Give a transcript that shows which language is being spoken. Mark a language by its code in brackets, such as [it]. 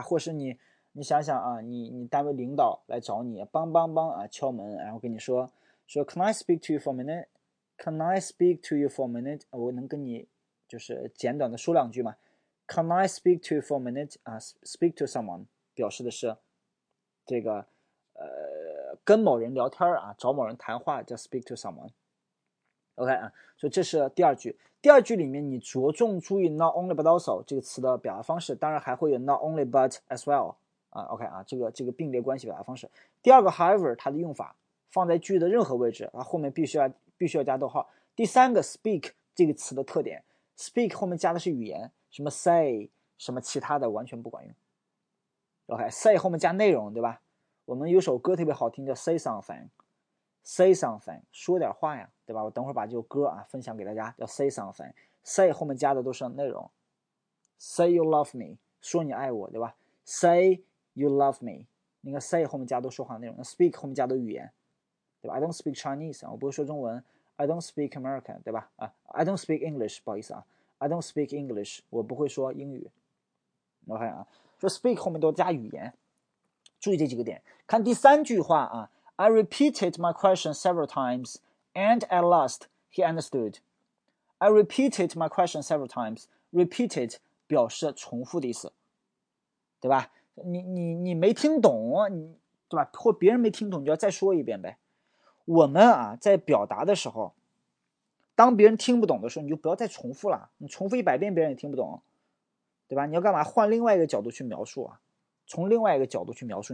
[zh] 或是你想想啊，你单位领导来找你，梆梆梆啊，敲门，然后跟你说 [en] Can I speak to you for a minute？ [zh] Can I speak to you for a minute？我能跟你就是简短的说两句吗？ [en] Can I speak to you for a minute？ [zh] 啊，speak to someone 表示的是这个。跟某人聊天啊，找某人谈话叫 speak to someone。OK 啊，所以这是第二句。第二句里面你着重注意 not only but also 这个词的表达方式，当然还会有 not only but as well 啊。 OK 啊，这个并列关系表达方式。第二个 however 它的用法放在句的任何位置啊，后面必须要加逗号。第三个 speak 这个词的特点，speak 后面加的是语言，什么 say 什么其他的完全不管用。 OK，say 后面加内容，对吧？我们有首歌特别好听，叫《Say Something》，Say Something，说点话呀，对吧？我等会儿把这首歌啊分享给大家，叫《Say Something》，Say 后面加的都是内容， [en] Say you love me， [zh] 说你爱我，对吧？Say you love me。那个 say 后面加都说话内容，那 speak 后面加都语言，对吧？ [en] I don't speak Chinese， [zh] 我不会说中文， [en] I don't speak American， [zh] 对吧？ [en] I don't speak English， [zh] 不好意思啊， [en] I don't speak English， [zh] 我不会说英语。我看啊，说 speak 后面都加语言，注意这几个点。看第三句话啊， [en] I repeated my question several times and at last he understood。 I repeated my question several times. [zh] Repeated 表示重复的意思，对吧？你没听懂，你对吧？或别人没听懂，你就要再说一遍呗。我们啊，在表达的时候，当别人听不懂的时候，你就不要再重复了。你重复100遍，别人也听不懂，对吧？你要干嘛？换另外一个角度去描述啊，从另外一个角度去描述。